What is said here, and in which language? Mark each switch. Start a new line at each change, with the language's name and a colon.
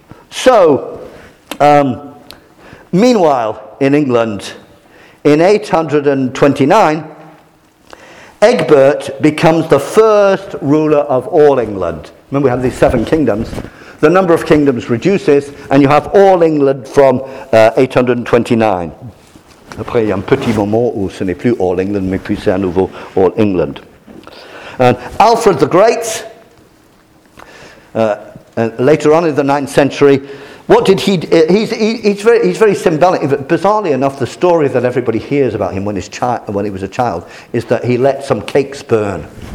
English: So, meanwhile, in England, in 829, Egbert becomes the first ruler of all England. Remember, we have these seven kingdoms. The number of kingdoms reduces, and you have all England from 829.
French: Après, il y a un petit moment où ce n'est plus
English: all England,
French: mais puis c'est à nouveau all England.
English: And Alfred the Great, later on in the 9th century, what did he do? He's very symbolic. Bizarrely enough, the story that everybody hears about him when he was a child is that he let some cakes burn.